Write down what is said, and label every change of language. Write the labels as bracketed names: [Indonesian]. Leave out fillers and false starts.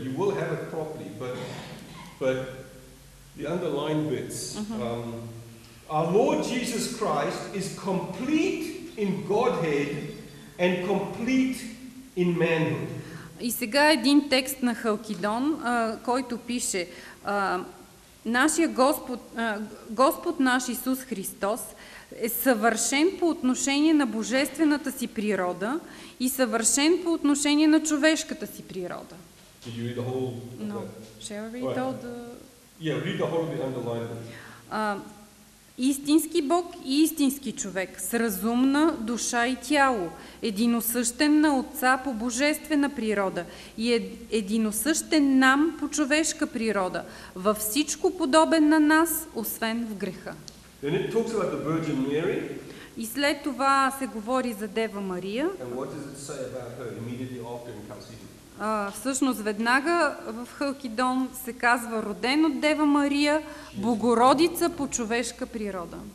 [English] You will have it properly, but the underlined bits. Mm-hmm. Our Lord Jesus Christ is complete in Godhead and complete in manhood. [Bulgarian] И сега един текст на Халкидон, който пише: нашия Господ наш Исус Христос е съвършен по отношение на божествената си природа и съвършен по отношение на човешката си природа. [English] Did you read the whole? No. Shall I read all the? Yeah, read the whole of the underlined. [Bulgarian] Истински Бог и истински човек, с разумна душа и тяло, единосъщен на Отца по божествена природа и единосъщен нам по човешка природа, във всичко подобен на нас, освен в греха. [English] Then it talks about the Virgin Mary. [Bulgarian] И след това се говори за Дева Мария. [English] And what does it say about her immediately after in Chalcedon? [Bulgarian] Всъщност веднага в Халкидон се казва: роден от Дева Мария, Богородица по човешка природа.